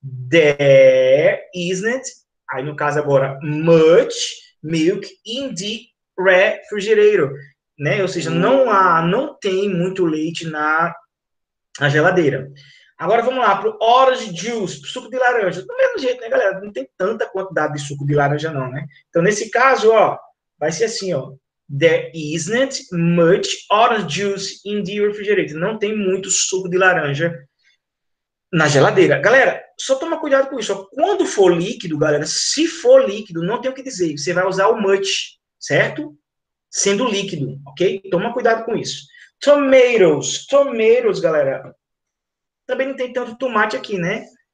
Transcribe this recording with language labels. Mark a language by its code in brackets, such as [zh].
[en] There isn't, [pt] aí no caso agora, [en] much milk in the refrigerator, [pt] né? Ou seja, não há, não tem muito leite na geladeira. Agora vamos lá para o orange juice, suco de laranja. Do mesmo jeito, né, galera? Não tem tanta quantidade de suco de laranja, não, né? Então, nesse caso, ó, vai ser assim, ó. [en] There isn't much orange juice in the refrigerator. [pt] Não tem muito suco de laranja na geladeira. Galera, só toma cuidado com isso, ó. Quando for líquido, galera, se for líquido, não tem o que dizer. Você vai usar o much, certo? Sendo líquido, ok? Toma cuidado com isso. Tomatoes, tomatoes, galera. Também não tem tanto tomate aqui, né?